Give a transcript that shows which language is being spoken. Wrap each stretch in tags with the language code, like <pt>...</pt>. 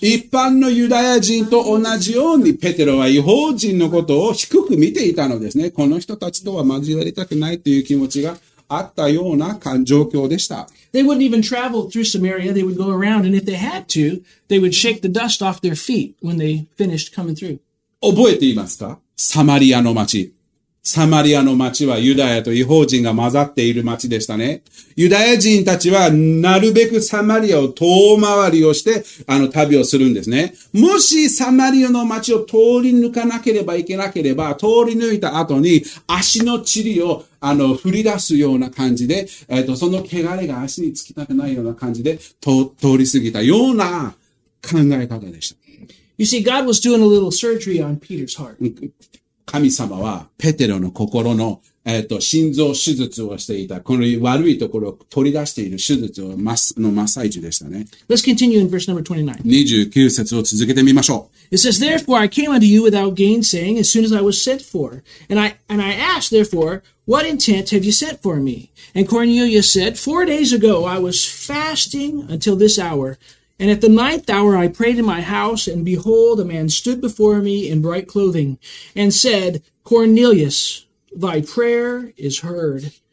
<ja>一般のユダヤ人と同じように、ペテロは異邦人のことを低く見ていたのですね。この人たちとは交わりたくないという気持ちがあったような状況でした。</ja> <en>They wouldn't even travel through Samaria. They would go around, and if they had to, they would shake the dust off their feet when they finished coming through.</en> <ja>覚えていますか？サマリアの町。サマリアの町はユダヤと異邦人が混ざっている町でしたね。ユダヤ人たちはなるべくサマリアを遠回りをして旅をするんですね。もしサマリアの町を通り抜かなければいけなければ、通り抜いた後に足の塵を振り出すような感じで、その汚れが足につきたくないような感じで通り過ぎたような考え方でした。</ja> <en>You see, God was doing a little surgery on Peter's heart.</en> <ja>神様は、ペテロの心の、心臓手術をしていた。この悪いところを取り出している手術を、の真っ最中でしたね。</ja> <en>Let's continue in verse number</en> <ja>29. 29節を続けてみましょう。</ja> <en>It says, Therefore I came unto you without gainsaying as soon as I was sent for. And I asked, therefore, what intent have you set for me? And Cornelius said, 4 days ago I was fasting until this hour. And at the ninth hour, I prayed in my house, and behold, a man stood before me in bright clothing and said, Cornelius, thy prayer is heard.</en>